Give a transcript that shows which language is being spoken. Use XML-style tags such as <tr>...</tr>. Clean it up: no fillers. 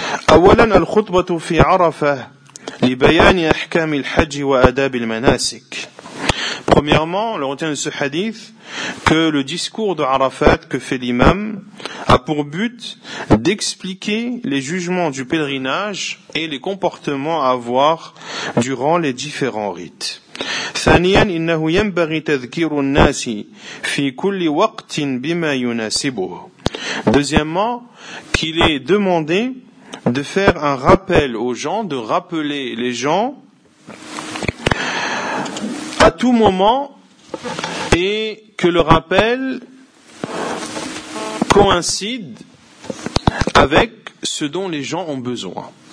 <ar>أولا الخطبة في عرفة لبيان أحكام الحج وآداب المناسك.</ar> <fr>Premièrement, on retient de ce hadith que le discours de Arafat que fait l'imam a pour but d'expliquer les jugements du pèlerinage et les comportements à avoir durant les différents rites.</fr> <ar>ثانيا إنه ينبغي تذكير الناس في كل وقت بما يناسبه.</ar> <fr>Deuxièmement, qu'il est demandé de faire un rappel aux gens, de rappeler les gens à tout moment et que le rappel coïncide avec ce dont les gens ont besoin.</fr>